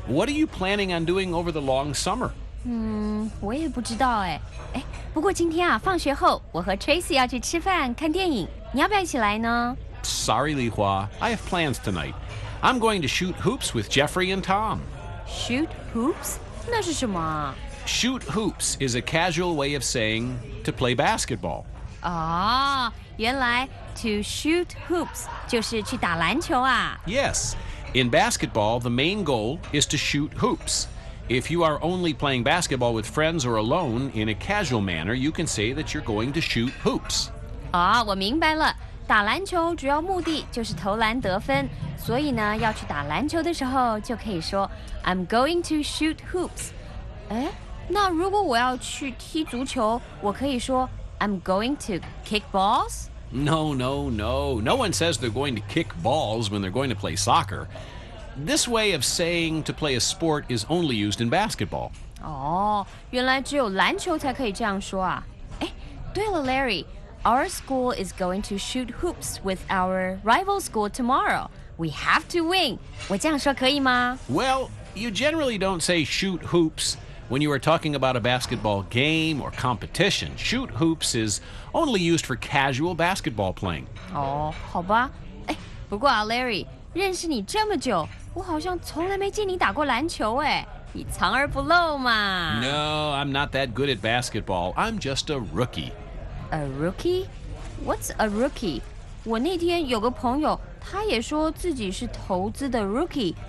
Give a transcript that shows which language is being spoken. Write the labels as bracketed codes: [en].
[en] What are you planning on doing over the long summer? [zh] 我也不知道哎。哎，不过今天啊，放学后我和 Tracy 要去吃饭看电影，你要不要一起来呢？ [en] Sorry, Li Hua. I have plans tonight. I'm going to shoot hoops with Jeffrey and Tom. Shoot hoops? [zh] 那是什么？ [en] Shoot hoops is a casual way of saying to play basketball. [zh] 哦，原来 to shoot hoops 就是去打篮球啊。 [en] Yes. In basketball, the main goal is to shoot hoops. If you are only playing basketball with friends or alone in a casual manner, you can say that you're going to shoot hoops. [zh] 哦，我明白了。打篮球主要目的就是投篮得分，所以呢，要去打篮球的时候就可以说 [en] I'm going to shoot hoops。 [zh] 哎，那如果我要去踢足球，我可以说 [en] I'm going to kick balls？ No, no, no. No one says they're going to kick balls when they're going to play soccer. This way of saying to play a sport is only used in basketball. [zh] 哦，原来只有篮球才可以这样说啊。哎，对了 ，Larry。 [en] Our school is going to shoot hoops with our rival school tomorrow. We have to win. [zh] 我这样说可以吗？ [en] Well, you generally don't say shoot hoops when you are talking about a basketball game or competition. Shoot hoops is only used for casual basketball playing. [zh] 哦，好吧。哎，不过啊 ，Larry， 认识你这么久，我好像从来没见你打过篮球哎。你藏而不露嘛。 [en] No, I'm not that good at basketball. I'm just a rookie. A rookie? What's a rookie? [zh] 我那天有个朋友，他也说自己是投资的 rookie。